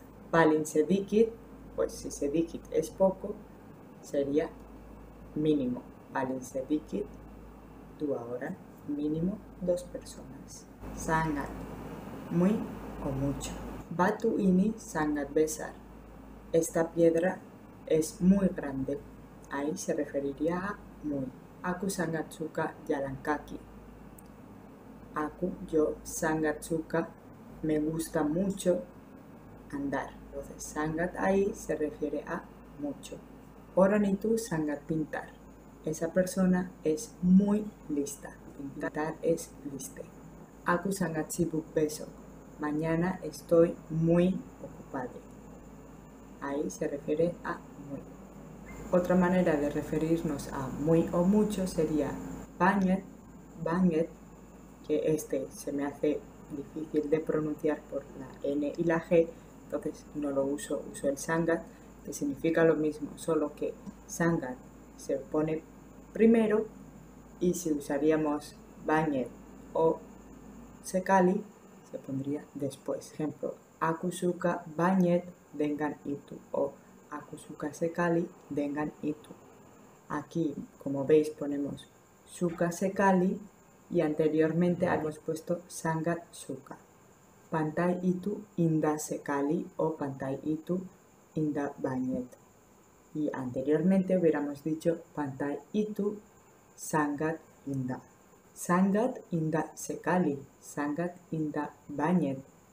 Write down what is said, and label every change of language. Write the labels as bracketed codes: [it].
[es] Paling sedikit, pues si sedikit es poco, sería mínimo. Paling sedikit, tú ahora, mínimo dos personas. [id] Sangat, [es] muy o mucho. [id] Batu ini sangat besar. [es] Esta piedra es muy grande. Ahí se referiría a muy. [id] Aku sangat suka jalan kaki. [es] Aku, yo, sangat suka, me gusta mucho andar. Entonces, sangat ahí se refiere a mucho. [id] Orang itu sangat pintar. [es] Esa persona es muy lista. Pintar es liste. [id] Aku sangat sibuk besok. [es] Mañana estoy muy ocupado. Ahí se refiere a muy. Otra manera de referirnos a muy o mucho sería banget, banget, que este se me hace difícil de pronunciar por la N y la G, entonces no lo uso, uso el sangat, que significa lo mismo, solo que sangat se pone primero y si usaríamos banget o sekali, se pondría después. Ejemplo, [id] akusuka banget dengan itu [es] o [id] Aku suka sekali dengan itu. [es] Aquí, como veis, ponemos suka sekali y anteriormente habíamos puesto sangat suka. [id] Pantai itu indah sekali o pantai itu indah banget. [es] Y anteriormente hubiéramos dicho [id] pantai itu sangat indah. Sangat indah sekali, sangat indah banget.